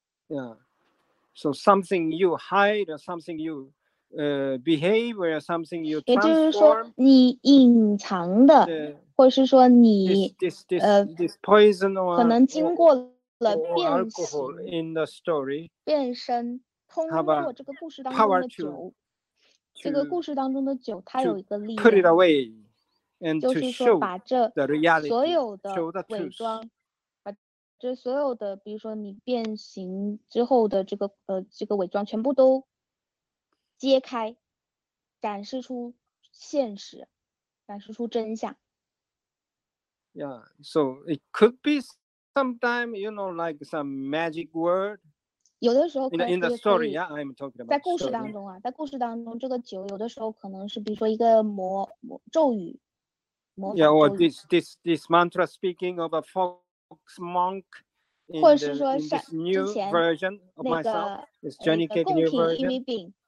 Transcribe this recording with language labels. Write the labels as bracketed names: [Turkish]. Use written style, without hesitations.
[English] Yeah. So something you hide or something you behave or something you transform. [Chinese] 也就是说你隐藏的, 或是说你, [English] this poison or, [Chinese] 可能经过了变身, [English] or alcohol in the story. [Chinese] 变身, 通过这个故事当中的酒, 这个故事当中的酒, 它有一个力量, [English] to put it away and to show the reality, [Chinese] 所有的伪装, 这所有的, 比如说你变形之后的这个, 这个伪装, 全部都揭开, 展示出现实, 展示出真相。 [English] Yeah, so it could be sometime, you know, like some magic word. [Chinese] 有的时候可能是, [English] in the story, yeah, I'm talking about. [Chinese] 在故事当中啊, 在故事当中, 这个酒, 有的时候可能是, 比如说一个魔, 咒语, 魔法咒语。 [English] Yeah, or this mantra speaking of a fox monk. In this new version of myself, it's Johnny Cake new version.